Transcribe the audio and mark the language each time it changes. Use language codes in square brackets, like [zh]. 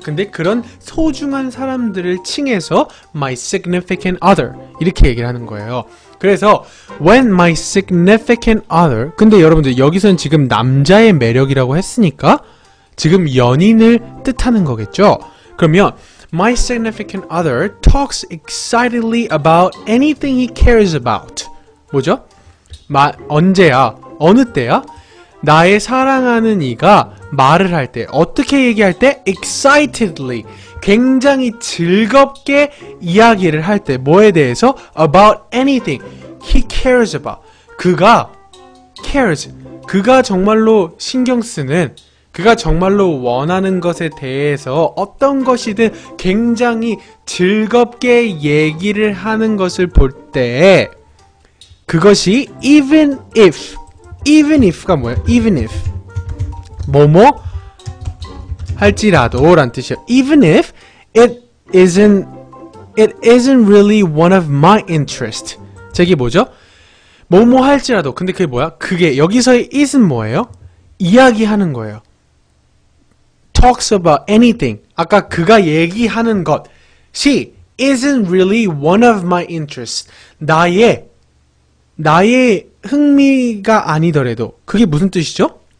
[ko] 근데 그런 소중한 사람들을 칭해서 [en] my significant other [ko] 이렇게 얘기를 하는 거예요. 그래서 [en] when my significant other. [ko] 근데 여러분들 여기서는 지금 남자의 매력이라고 했으니까 지금 연인을 뜻하는 거겠죠? 그러면 [en] my significant other talks excitedly about anything he cares about. [ko] 뭐죠? 언제야? 어느 때야? 나의 사랑하는 이가 말을 할 때, 어떻게 얘기할 때? [en] excitedly. [ko] 굉장히 즐겁게 이야기를 할 때, 뭐에 대해서? [en] about anything he cares about. [ko] 그가 [en] cares. [ko] 그가 정말로 신경 쓰는, 그가 정말로 원하는 것에 대해서 어떤 것이든 굉장히 즐겁게 얘기를 하는 것을 볼 때, 그것이 [en] even if, even if [ko] 가 뭐야? [en] even if. [ko] 뭐뭐? 할지라도란 뜻이야. [en] even if it isn't really one of my interest. [ko] 저게 뭐죠? 뭐뭐 할지라도. 근데 그게 뭐야? 그게, 여기서의 is는 뭐예요? 이야기하는 거예요. [en] talks about anything. [ko] 아까 그가 얘기하는 것이 [en] isn't really one of my interest. [ko] 나의 흥미가 아니더라도, 그게 무슨 뜻이죠?